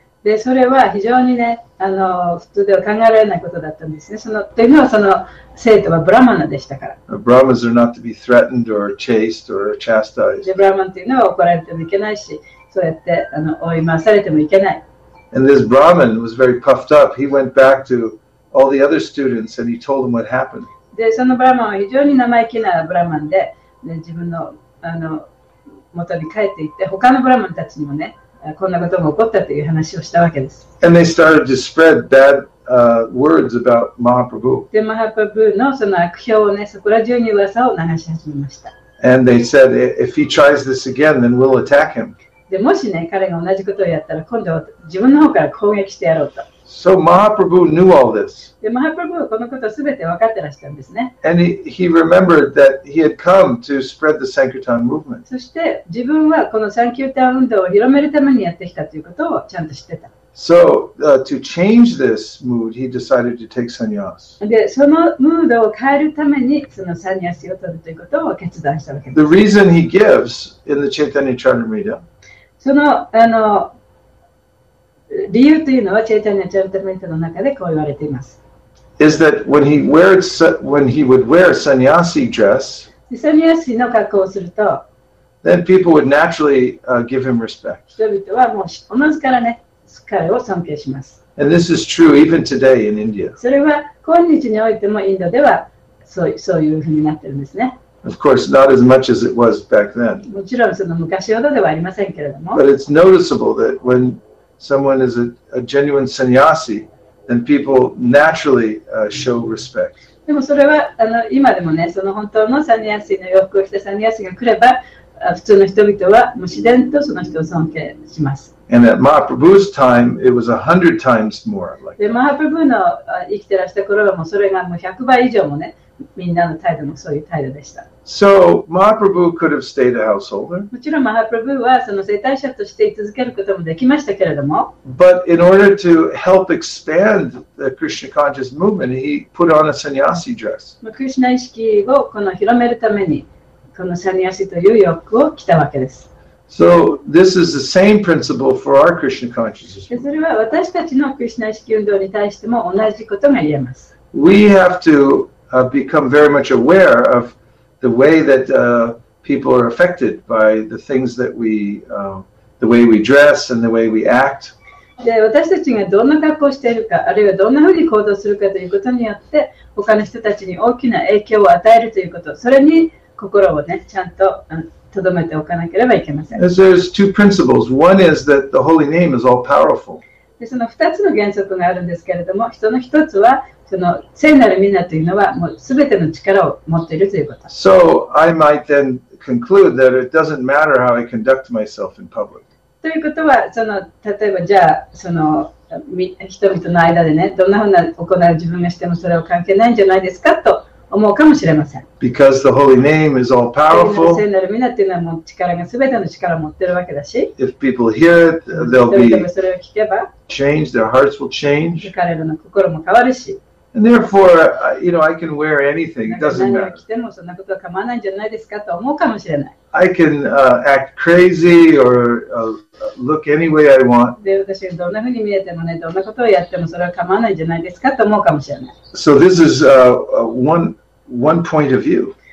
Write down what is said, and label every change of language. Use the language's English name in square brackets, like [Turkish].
[Japanese] でそれは非常にね普通では考えられないことだったんですね。そのというのはその生徒はブラマナでしたから。 [English] Brahmins are not to be threatened or chased or chastised. [Japanese] でブラマンというのは怒られてもいけないし、そうやって追い回されてもいけない。 [English] And this Brahmin was very puffed up. He went back to all the other students and he told them what happened. [Japanese] でそのブラマンは非常に生意気なブラマンで、で自分の元に帰っていって他のブラマンたちにもね。こんなことも起こったという話をしたわけです。 [English] And they started to spread bad, words about Mahaprabhu. [Japanese] で、マハプラブーのその悪評をね、そこら中に噂を流し始めました。 [English] And they said, if he tries this again, then we'll attack him. [Japanese] で、もしね、彼が同じことをやったら、今度は自分の方から攻撃してやろうと。 [English] So Mahaprabhu knew all this. [Japanese] で、マハプラブーはこのことをすべて分かってらしたんですね。 [English] And he remembered that he had come to spread the Sankirtan movement. [Japanese] そして自分はこのサンキュータン運動を広めるためにやってきたということをちゃんと知ってた。 [English] So, to change this mood, he decided to take sannyas. [Japanese] で、そのムードを変えるためにそのサンニャスを取るということを決断したわけです。 [English] The reason he gives in the Chaitanya Charitamrita. [Japanese] その、理由というのはチェイタニャチャリタムリタの中でこう言われています。 [English] Is that when he wears when he would wear sannyasi dress? [Japanese] Sannyasi の格好をすると、 [English] then people would naturally give him respect. [Japanese] 人々はもうおのずからね、彼を尊敬します。 [English] And this is true even today in India. [Japanese] それは今日においてもインドではそういうふうになってるんですね。 [English] Of course, not as much as it was back then. [Japanese] もちろんその昔ほどではありませんけれども、 [English] but it's noticeable that whenSomeone is a genuine sannyasi, then people naturally show respect. [Japanese] でもそれは今でもね、その本当のサニヤシの洋服を着たサニヤシが来れば、普通の人々はもう自然とその人を尊敬します。 [English] And at Mahaprabhu's time, it was 100 times more. [Japanese] で、マハプラブーの生きてらした頃はもうそれがもう100倍以上もね、みんなの態度もそういう態度でした。 [English] So Mahaprabhu could have stayed a householder. [Japanese] もちろんマハプラブーはその生態者として居続けることもできましたけれども。 [English] But in order to help expand the Krishna conscious movement, he put on a sannyasi dress. [Japanese] まあ、クリシュナ意識をこの広めるためにこのサニヤシという洋服を着たわけです。 [English] So this is the same principle for our Krishna consciousness. [Japanese] で、それは私たちのクリシュナ意識運動に対しても同じことが言えます。 [English] We have to become very much aware of the way that people are affected by the things that we, the way we dress and the way we act. [Japanese] で、私たちがどんな格好をしているか、あるいはどんなふうに行動するかということによって、他の人たちに大きな影響を与えるということ、それに心をね、ちゃんと留めておかなければいけません。 [English] So there's two principles. One is that the holy name is all powerful. [Japanese] で、その二つの原則があるんですけれども、その一つは、その聖なるみんなというのはもう全ての力を持っているということ。 [English] So I might then conclude that it doesn't matter how I conduct myself in public. [Japanese] ということは、その例えばじゃあその人々の間でね、どんなふうな行う自分がしてもそれは関係ないんじゃないですかと思うかもしれません。 [English] Because the holy name is all powerful. [Japanese] 聖なるみんなというのはもう力が全ての力を持っているわけだし。 [English] If people hear it, they'll be. [Japanese] 人々がそれを聞けば。 [English] Change, their hearts will change. [Japanese] 彼らの心も変わるし。 [English] And therefore, you know, I can wear anything. It doesn't matter. [Japanese] 何を着てもそんなことは構わないんじゃないですかと思うかもしれない。 [English] I can act crazy or look any way I want. [Japanese] で、私がどんなふうに見えてもね、どんなことをやってもそれは構わないんじゃないですかと思うかもしれない。 [English] So this is one point of view.